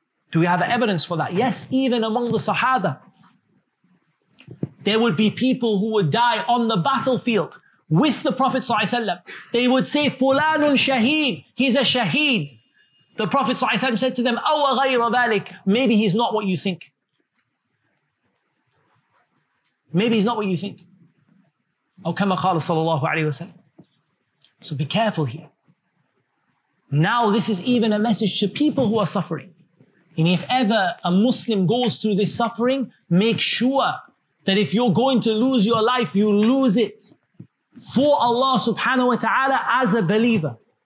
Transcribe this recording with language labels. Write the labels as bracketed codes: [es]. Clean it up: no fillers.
[en] Do we have evidence for that? Yes, even among the Sahaba, there would be people who would die on the battlefield with the Prophet ﷺ. They would say, [ar] Fulanun Shaheed, [en] he's a Shaheed. The Prophet ﷺ said to them, [ar] Awa ghayra dhalik, [en] maybe he's not what you think. Maybe he's not what you think. [ar] أو كما قال صلى الله عليه وسلم. [en] So be careful here. Now this is even a message to people who are suffering. And if ever a Muslim goes through this suffering, make sure that if you're going to lose your life, you lose it for Allah [ar] subhanahu wa ta'ala [en] as a believer.